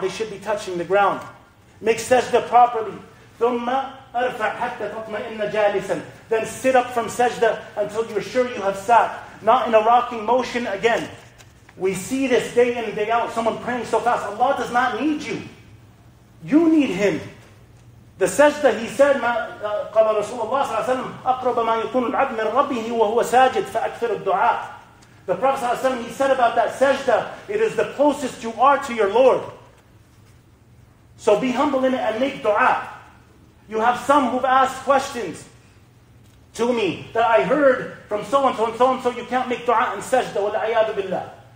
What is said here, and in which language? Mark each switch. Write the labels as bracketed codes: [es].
[en] They should be touching the ground. Make sajda properly. [ar] ثُمَّ أَرْفَعْ حَتَّى تَطْمَئِنَّ جَالِسًا. [en] Then sit up from sajda until you're sure you have sat. Not in a rocking motion again. We see this day in and day out. Someone praying so fast. Allah does not need you. You need Him. The sajda, He said, [ar] قَالَ رَسُولُ اللَّهِ صَلَّى اللَّهُ عَلَيْهِ وَسَلَّمَ أَقْرَبَ مَا يَكُونُ الْعَبْدُ مِنْ رَبِّهِ وَهُوَ سَاجِدٌ فَأَكْثِرُ الدُّعَاءَ. [en] The Prophet صلى الله عليه وسلم, he said about that sajda, it is the closest you are to your Lord. So be humble in it and make dua. You have some who've asked questions to me that I heard from so-and-so and so-and-so, you can't make dua in sajda, [ar] وَالْعَيَادُ بِاللَّهِ.